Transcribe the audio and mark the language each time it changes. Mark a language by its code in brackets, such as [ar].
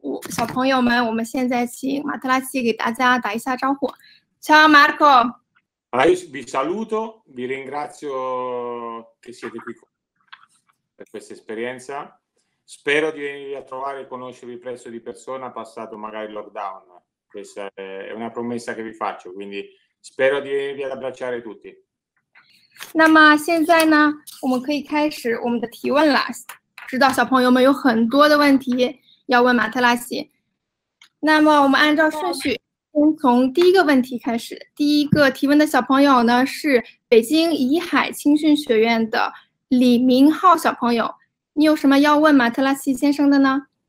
[zh] 小朋友们，我们现在请马特拉奇给大家打一下招呼。 [it] Ciao Marco。 Allora, io vi saluto, vi ringrazio che siete qui per questa esperienza. Spero di venirvi a trovare e conoscervi presto di persona, passato magari il lockdown. Questa è una promessa che vi faccio, quindi spero di venirvi ad abbracciare tutti. [zh] 那么现在呢，我们可以开始我们的提问了。知道小朋友们有很多的问题要问马特拉奇，那么我们按照顺序先从第一个问题开始。第一个提问的小朋友呢是北京怡海青训学院的李明浩小朋友，你有什么要问马特拉奇先生的呢？